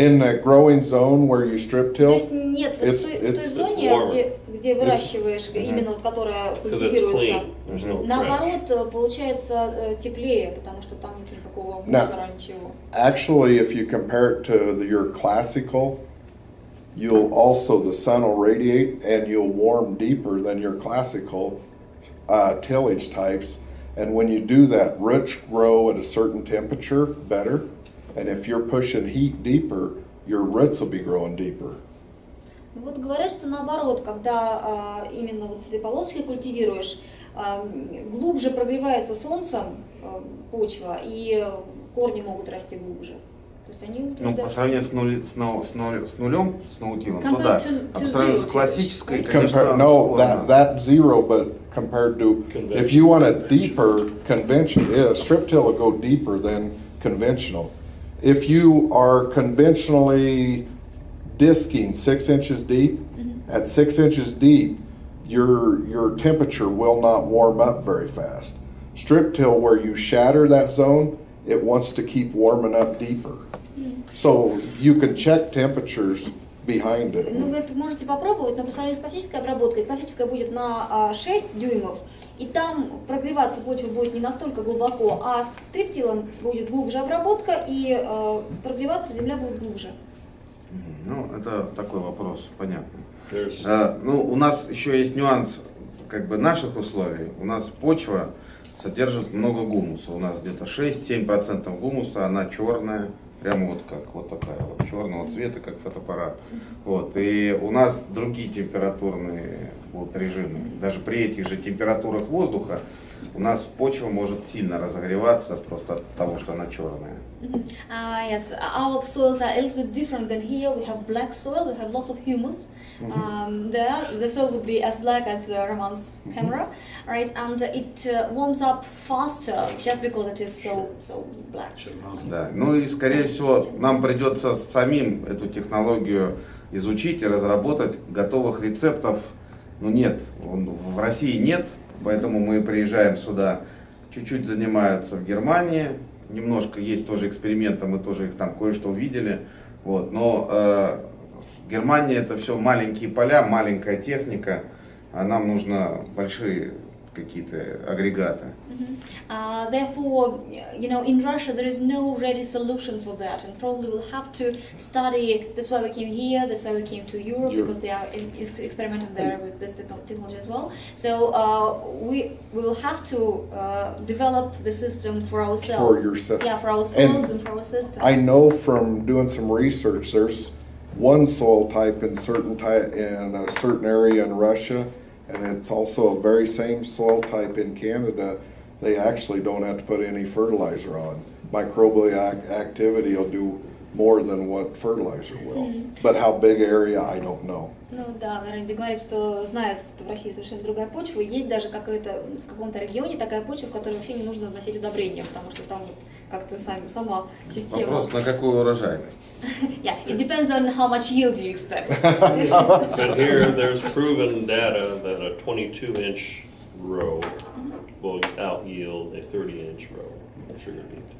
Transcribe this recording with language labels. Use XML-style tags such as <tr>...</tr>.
<en>In that growing zone where you strip till?</en> <ru>То есть нет, в той зоне, где выращиваешь, именно вот которая культивируется, наоборот, получается теплее, потому что там нет никакого мусора, ничего.</ru> <en>Actually, if you compare it to your classical, you'll also, the sun will radiate and you'll warm deeper than your classical tillage types. And when you do that, roots grow at a certain temperature better. And if you're pushing heat deeper, your roots will be growing deeper.</en> <ru>Вот говорят, что наоборот, когда именно вот эти полоски культивируешь, глубже прогревается солнцем почва, и корни могут расти глубже. Ну, по сравнению с, нуль, с нулем, с наутилом, то да. А по сравнению с классической, конечно,</ru> <en>no, that zero, but compared to, if you want it deeper, conventional, yeah, strip till will go deeper than conventional. If you are conventionally disking 6 inches deep, mm-hmm. at 6 inches deep, your temperature will not warm up very fast. Strip till, where you shatter that zone, it wants to keep warming up deeper. So you can check temperatures behind it.</en> <ru>Ну, вы можете попробовать, но по сравнению с классической обработкой, классическая будет на 6 дюймов, и там прогреваться почва будет не настолько глубоко, а с стриптилом будет глубже обработка, и прогреваться земля будет глубже. Ну, это такой вопрос, понятно. Ну, у нас еще есть нюанс, как бы, наших условий. У нас почва содержит много гумуса. У нас где-то 6-7% гумуса, она черная. Прямо вот как, вот такая вот, черного цвета, как фотоаппарат. Вот, и у нас другие температурные вот режимы. Даже при этих же температурах воздуха у нас почва может сильно разогреваться просто от того, что она черная.</ru> <en>Yes, our soils are a little bit different than here. We have black soil, we have lots of humus. The soil would be as black as Roman's camera, right? And it warms up faster just because it is so black.</en> <ru>Да. Ну и скорее всего нам придется самим эту технологию изучить и разработать. Готовых рецептов, ну нет, в России нет, поэтому мы приезжаем сюда, чуть-чуть занимаются в Германии. Немножко есть тоже эксперименты, мы тоже их там кое-что увидели. Вот. Но в Германии это все маленькие поля, маленькая техника, а нам нужны большие какие-то агрегаты.</ru> <en>Therefore, you know, in Russia there is no ready solution for that, and probably we'll have to study. That's why we came here. That's why we came to Europe, because they are experimenting there with this technology as well. So we will have to develop the system for ourselves. For yourself. Yeah, for our soils and for our systems. I know from doing some research, there's one soil type in a certain area in Russia, and it's also a very same soil type in Canada. They actually don't have to put any fertilizer on. Microbial activity will do more than what fertilizer will. But how big area, I don't know.</en> <ru>Ну да, Рэнди говорит, что знает, что в России совершенно другая почва. Есть даже какое-то в каком-то регионе такая почва, в которой вообще не нужно вносить удобрения, потому что там вот как-то сама система. Вопрос, на какую урожай?</ru> <en>Yeah, it depends on how much yield you expect. But here, there's proven data that a 22-inch row will out yield a 30-inch row of sugar beet.</en>